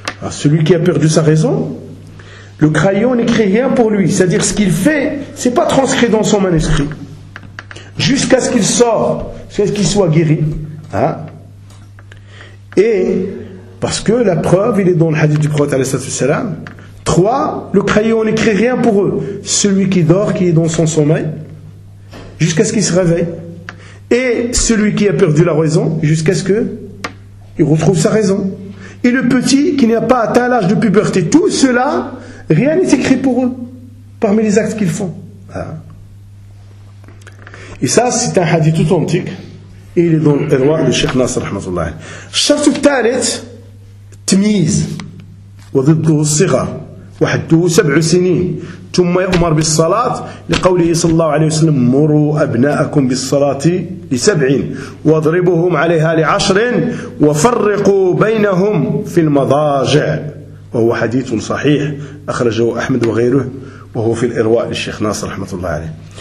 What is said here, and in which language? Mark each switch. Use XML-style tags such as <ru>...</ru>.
<fr>celui qui a perdu sa raison le crayon n'écrit rien pour lui c'est-à-dire ce qu'il fait c'est pas transcrit dans son manuscrit jusqu'à ce qu'il sort jusqu'à ce qu'il soit guéri et parce que la preuve, il est dans le hadith du prophète. Trois, le crayon n'écrit rien pour eux. Celui qui dort, qui est dans son sommeil, jusqu'à ce qu'il se réveille. Et celui qui a perdu la raison, jusqu'à ce qu'il retrouve sa raison. Et le petit, qui n'a pas atteint l'âge de puberté, tout cela, rien n'est écrit pour eux, parmi les actes qu'ils font. Et ça, c'est un hadith authentique. Et il est dans le roi, le Cheikh Nasser, rahmatullah. Chaque talit,</fr> <ar>تمييز وضده الصغر وحده سبع سنين ثم يأمر بالصلاة لقوله صلى الله عليه وسلم مروا أبناءكم بالصلاة لسبعين واضربهم عليها لعشر وفرقوا بينهم في المضاجع وهو حديث صحيح أخرجه أحمد وغيره وهو في الإرواء للشيخ ناصر رحمة الله عليه.</ar>